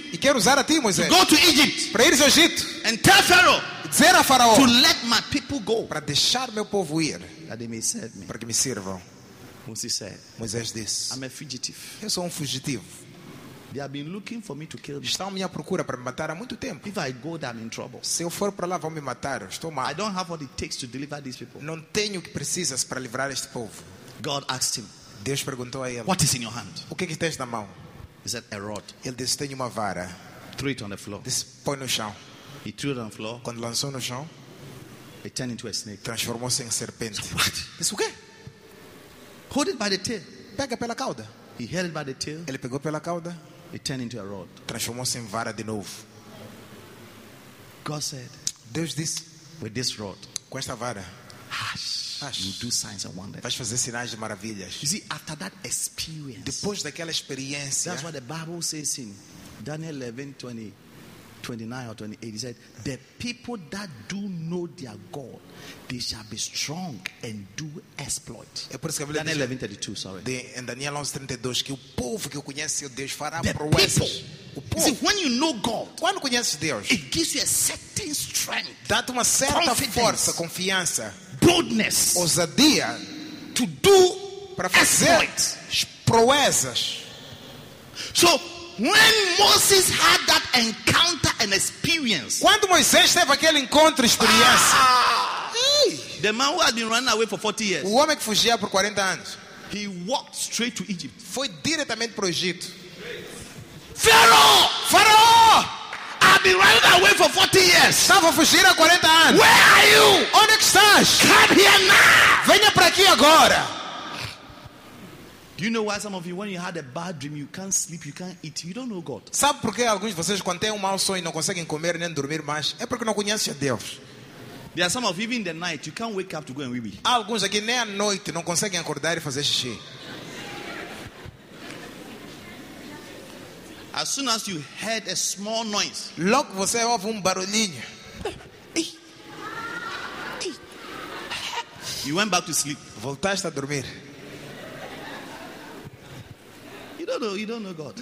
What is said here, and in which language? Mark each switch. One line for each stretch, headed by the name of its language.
Portuguese: E quero usar a ti, Moisés.
English: To go to Egypt.
Portuguese: Para ir ao Egito.
English: And tell Pharaoh.
Portuguese: Dizer a Faraó.
English: To let my people go.
Portuguese: Para deixar meu povo ir.
English: That they may serve me.
Portuguese: Para que me sirvam.
English: Moses said,
Portuguese: Moisés disse,
English: I'm a fugitive.
Portuguese: Eu sou fugitivo.
English: They have been looking for me to kill me.
Portuguese: Estão à minha procura para me matar há muito tempo.
English: If I go there, I'm in trouble.
Portuguese: Se eu for para lá, vão me matar. Estou mal.
English: I don't have what it takes to deliver these people.
Portuguese: Não tenho o que precisas para livrar este povo.
English: God asked him,
Portuguese: Deus perguntou a ele,
English: what is in your hand?
Portuguese: O que tens na mão?
English: He said, a rod.
Portuguese: Ele disse, tenho uma vara.
English: Threw it on the floor.
Portuguese: Disse, põe no chão.
English: He threw it on the floor.
Portuguese: Quando lançou no chão,
English: it turned into a snake.
Portuguese: Transformou-se em serpente.
English: So what?
Portuguese: Disse, o quê?
English: Hold it by the tail.
Portuguese: Pega pela cauda.
English: He held it by the tail.
Portuguese: Ele pegou pela cauda.
English: It turned into a rod.
Portuguese: Transformou-se em vara de novo.
English: God said,
Portuguese: Deus disse,
English: with this rod,
Portuguese: com esta vara,
English: hush, you do signs and wonders.
Portuguese: Vais fazer sinais de maravilhas.
English: You see, after that experience,
Portuguese: depois daquela experiência,
English: that's what the Bible says in Daniel 11:29 or 28. He said, the people that do know their God, they shall be strong and do exploit. Daniel 11:32, sorry.
Portuguese: Em Daniel 11:32, que o povo que conhece o Deus fará proezas.
English: See, when you know God,
Portuguese: quando conheces Deus,
English: it gives you a certain strength.
Portuguese: Dá-te uma certa força, confiança,
English: boldness,
Portuguese: ousadia,
English: to do
Portuguese: para fazer proezas.
English: So when Moses had that encounter and experience,
Portuguese: quando Moisés teve aquele encontro e experiência,
English: the man who had been running away for 40 years,
Portuguese: o homem que fugia por 40 anos,
English: he walked straight to Egypt.
Portuguese: Foi diretamente para o Egito.
English: Pharaoh, I've been running away for 40 years.
Portuguese: Estava a fugir há 40 anos.
English: Where are you?
Portuguese: Onde é que estás?
English: Come here now.
Portuguese: Venha para aqui agora.
English: Do you know why some of you, when you had a bad dream, you can't sleep, you can't eat, you don't know God?
Portuguese: Sabe por que alguns de vocês quando têm um mau sonho não conseguem comer nem dormir mais? É porque não conhecem a Deus.
English: There are some of you, even in the night, you can't wake up to go and wee wee.
Portuguese: Alguns aqui nem à noite não conseguem acordar e fazer xixi.
English: As soon as you heard a small noise,
Portuguese: logo você ouve barulhinho.
English: You went back to sleep.
Portuguese: Voltaste a dormir.
English: You don't know God.